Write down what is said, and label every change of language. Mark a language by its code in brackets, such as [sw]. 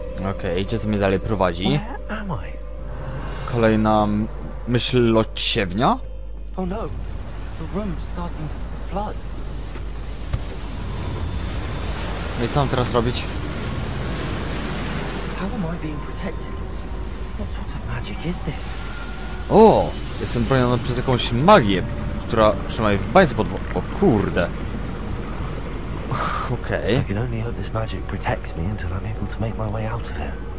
[pl] Okej, gdzie to mnie dalej prowadzi? Kolejna myśl lociewnia? [en] Oh no. The room's starting to flood. [pl] No i co mam teraz robić? [en] How am I being protected? What sort of magic is this? [pl] O, jestem broniony przez jakąś magię, która trzyma mnie w bańce pod wodą. O kurde. Okej. [en] I can only hope this magic protects me until I'm able to make my way out of it.